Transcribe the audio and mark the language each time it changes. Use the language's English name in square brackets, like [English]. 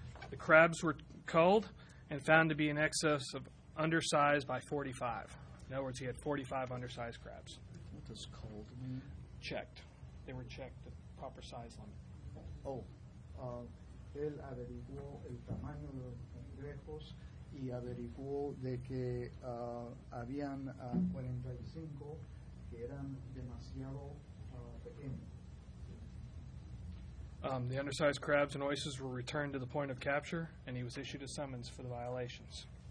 [English] The crabs were culled and found to be in excess of undersized by 45. In other words, he had 45 undersized crabs. What does culled mean? Checked. They were checked at the proper size limit. [Spanish] Él averiguó el tamaño de los cangrejos y averiguó de que habían 45 que eran demasiado pequeños. [English] The undersized crabs and oysters were returned to the point of capture, and he was issued a summons for the violations.